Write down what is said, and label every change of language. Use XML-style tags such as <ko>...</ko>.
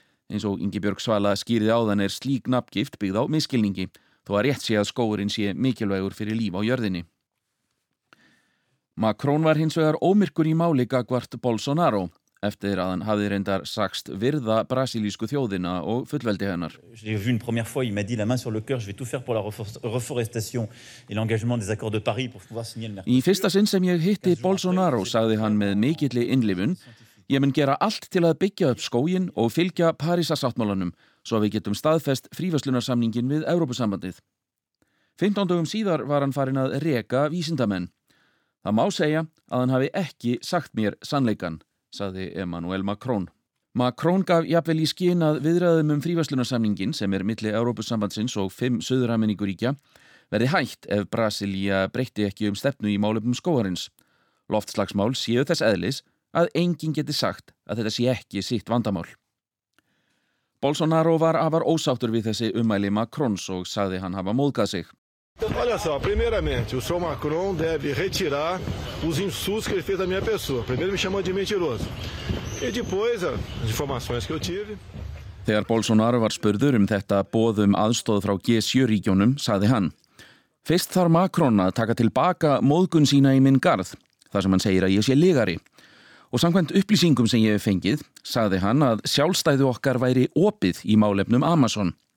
<is>Eins og Ingibjörg Svala skýrði áðan slík nafngift byggð á miskilningi, þó að rétt sé að skógurinn sé mikilvægur fyrir líf á jörðinni. Macron var hins vegar ómyrkur í máli gagnvart Bolsonaro, eftir að hann hafði reyndar sagst virða brasilísku þjóðina og fullveldi hennar.</is> <fr>J'ai vu une première fois, il m'a dit la main sur le cœur, je vais tout faire pour la reforestation et l'engagement des accords de Paris pour pouvoir signer le Mercosur.</fr> <is>Í fyrsta sinn sem ég hitti Bolsonaro, sagði hann með mikilli innlifun, ég mun gera allt til að byggja upp skóginn og fylgja Parísasáttmálanum svo að við getum staðfest fríverslunarsamningin við Evrópusambandið. 15 dögum síðar var hann farinn að reka vísindamenn. Það má segja að hann hafi ekki sagt mér sannleikan, sagði Emmanuel Macron. Macron gaf jafnvel í skyn að viðræðum fríverslunarsamningin sem milli Evrópusambandsins og fimm Suður-Ameríkuríkja verði hætt ef Brasilía breytti ekki stefnu í málefnum skógarins. Loftslagsmál séu þess eðlis að enginn geti sagt að þetta sé ekki sitt vandamál. Bolsonaro var afar ósáttur við þessi ummæli Macrons og sagði hann hafa móðgað sig.</is> <pt>Olha só, primeiramente, o senhor Macron deve retirar os insultos que ele fez à minha pessoa. Primeiro me chamou de mentiroso. E depois, as informações que eu tive...</pt> <is>Þegar Bolsonaro var spurður þetta boðum aðstoð frá G7-ríkjónum, sagði hann. Fyrst þarf Macron að taka tilbaka móðgun sína í minn garð, þar sem hann segir að ég sé lygari. Og samkvæmt upplýsingum sem ég hef fengið, sagði hann að sjálfstæðu okkar væri opið í málefnum Amazon.</is>